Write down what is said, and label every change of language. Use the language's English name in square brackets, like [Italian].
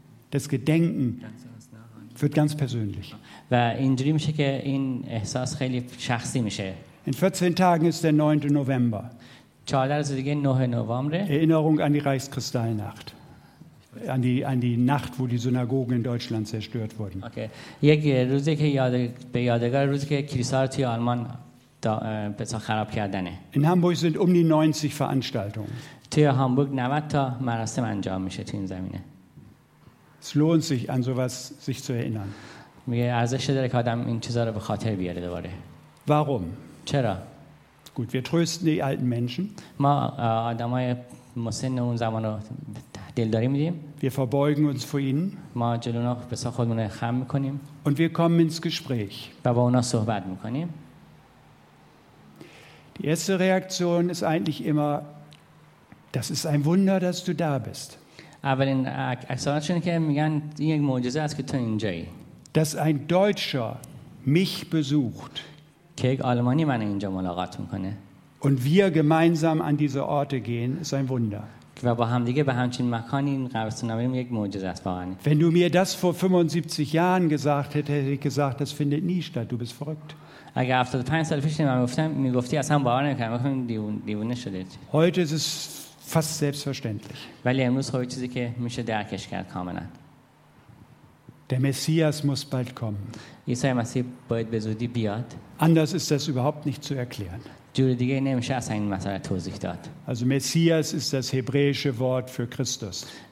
[German] Das Gedenken wird ganz persönlich. In 14 Tagen ist der 9. November. Erinnerung an die Reichskristallnacht. An die Nacht, wo die Synagogen in Deutschland zerstört wurden. Okay. [Persian] یک روزی که یاد به یادگار روزی که کلیسا رو توی آلمان بسیار خراب کردنه. [German] In Hamburg sind um die 90 Veranstaltungen. [Persian] توی هامبورگ 90 تا مراسم انجام میشه توی این زمینه. [German] Es lohnt sich an sowas sich zu erinnern. [Persian] میگه ارزش داره که آدم این چیزا رو به خاطر بیاره دوباره. [German] Warum? [Persian] چرا؟ [German] Gut, wir trösten die alten Menschen. [Persian] ما آدمای مسن اون زمانو دلداری میدیم. [German] Wir verbeugen uns vor ihnen. [Persian] ما جلو نخ بسا خودمون رو خم میکنیم. [German] Und wir kommen ins Gespräch. [Persian] و با اونا صحبت میکنیم. [German] Die erste Reaktion ist eigentlich immer, das ist ein Wunder, dass du da bist. [Persian] اولین اکسانشون که میگن این یک معجزه است که تو اینجایی. [German] Dass ein Deutscher mich besucht. [Persian] که یک آلمانی من اینجا ملاقات میکنه. [German] Und wir gemeinsam an diese Orte gehen, ist ein Wunder. [Persian] و با هم دیگه به همچین مکانی این قبرستون رو یک معجزه است واقعا. [German] Wenn du mir das vor 75 Jahren gesagt hättest, hätte ich gesagt, das findet nie statt, du bist verrückt. [Persian] اگه 75 سال پیش من گفتم میگفتی اصلا باور نمی‌کنم، گفتم دیوونه شدید. [German] Heute ist es fast selbstverständlich. [Persian] ولی امروز خوبه چیزی که میشه درکش کرد کاملا. [German] Der Messias muss bald kommen. [Persian] عیسی مسیح باید به زودی بیاد. [German] Anders ist das überhaupt nicht zu erklären. [Persian] جوری دیگه نمیشه اصلا این مسئله توضیح داد. [German] Also Messias ist das hebräische Wort für Christus.